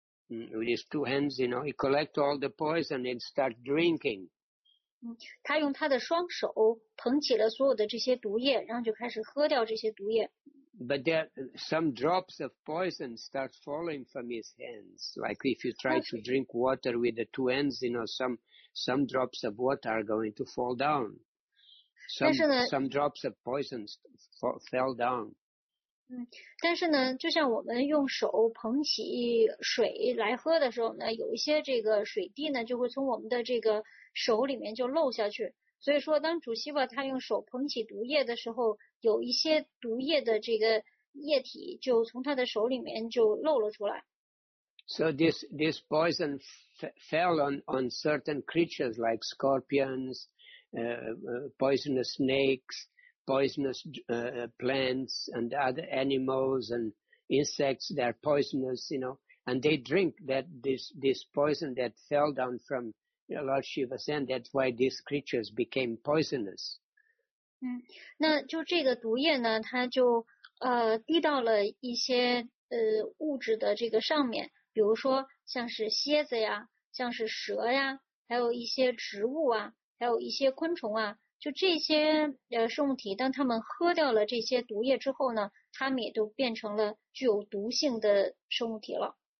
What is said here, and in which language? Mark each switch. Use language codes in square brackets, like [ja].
[en] With his two hands, you know, he collected all the poison and started drinking. [zh] 他用他的双手捧起了所有的这些毒液，然后就开始喝掉这些毒液。 [en] But there some drops of poison start falling from his hands. Like if you try to drink water with the two hands, you know, some drops of water are going to fall down. Some drops of poison fell down. [zh] 但是呢，就像我们用手捧起水来喝的时候呢，有一些这个水滴呢就会从我们的这个手里面就漏下去。所以说，当主席吧他用手捧起毒液的时候，有一些毒液的这个液体就从他的手里面就漏了出来。 [en] So this poison fell on certain creatures like scorpions, poisonous snakes, poisonous plants and other animals and insects that are poisonous, you know, and they drink that this poison that fell down from Lord Shiva said that's why these creatures became poisonous. [zh] 那就这个毒液呢，它就滴到了一些物质的这个上面，比如说像是蝎子呀，像是蛇呀，还有一些植物啊，还有一些昆虫啊，就这些生物体，当他们喝掉了这些毒液之后呢，他们也都变成了具有毒性的生物体了。